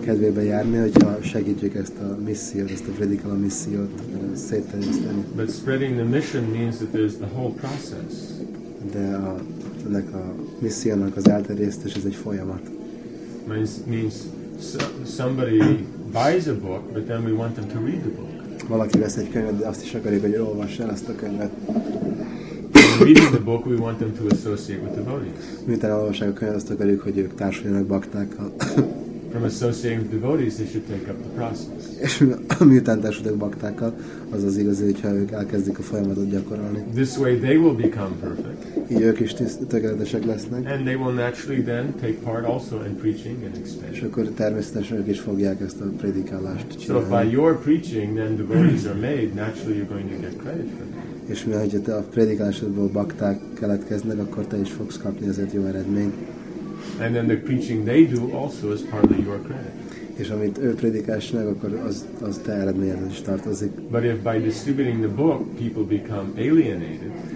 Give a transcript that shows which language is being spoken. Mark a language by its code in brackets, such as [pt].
[hu] kedvébe járni, hogyha segítjük ezt a missziót, ezt a predikala missziót szétterjeszteni. [en] But spreading the mission means that there's the whole process. [hu] De a, ennek a missziónak az elterjesztés, ez egy folyamat. [en] Means somebody buys a book, but then we want them to read the book. [hu] Valaki vesz egy könyvet, de azt is akarjuk, hogy olvass el ezt a könyvet. [en] Reading the book, we want them to associate with devotees. [hu] Miután olvassák a könyvet, azt akarjuk, hogy ők társuljanak baktákkal. [en] From associating with devotees, they should take up the process. [hu] És miután társuljanak baktákkal, az az igazi, hogyha ők elkezdik a folyamatot gyakorolni. [en] This way they will become perfect. [hu] Így ők is tökéletesek lesznek. [en] And they will naturally then take part also in preaching and expanding. [hu] És akkor természetesen ők is fogják ezt a prédikálást csinálni. [en] So if by your preaching, then devotees are made, naturally you're going to get credit for that. [hu] És mivel, hogyha te a prédikálásodból bakták keletkeznek, akkor te is fogsz kapni ezért jó eredményt. [en] And then the preaching they do also is partly your credit. [hu] És amit ő prédikálásnak, akkor az, az te eredményed is tartozik. [en] But if by distributing the book, people become alienated.